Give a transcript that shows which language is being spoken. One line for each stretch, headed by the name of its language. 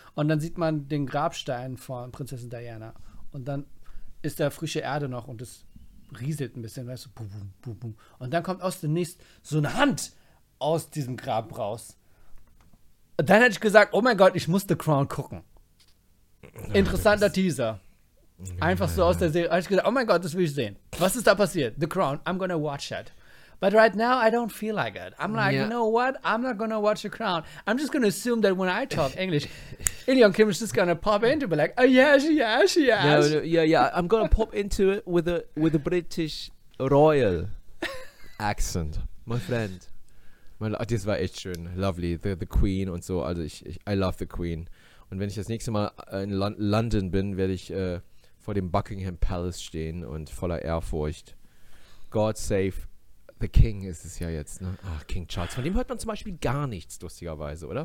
German: Und dann sieht man den Grabstein von Prinzessin Diana. Und dann ist da frische Erde noch und es rieselt ein bisschen, weißt du, bum, bum, bum, bum. Und dann kommt aus dem Nichts so eine Hand aus diesem Grab raus. Und dann hätte ich gesagt, oh mein Gott, ich muss The Crown gucken. Interessanter Teaser. Einfach so aus der Serie. Hätte ich gesagt, oh mein Gott, das will ich sehen. Was ist da passiert?
English: The Crown, I'm gonna watch it. But right now, I don't feel like it. I'm like, you know what? I'm not gonna watch The Crown. I'm just gonna assume that when I talk English, Ilion Kim is just gonna pop into it, like, oh yeah, she, yeah, she, yeah. I'm gonna pop into it with a British royal accent, my friend.
German: Das war echt schön, lovely. The Queen und so. Also
English: I love the Queen.
German: Und wenn ich das nächste Mal in London bin, werde ich vor dem Buckingham Palace stehen und voller Ehrfurcht.
English: God save.
German: The King ist es ja jetzt, ne? Ach, King Charles. Von dem hört man zum Beispiel gar nichts, lustigerweise, oder?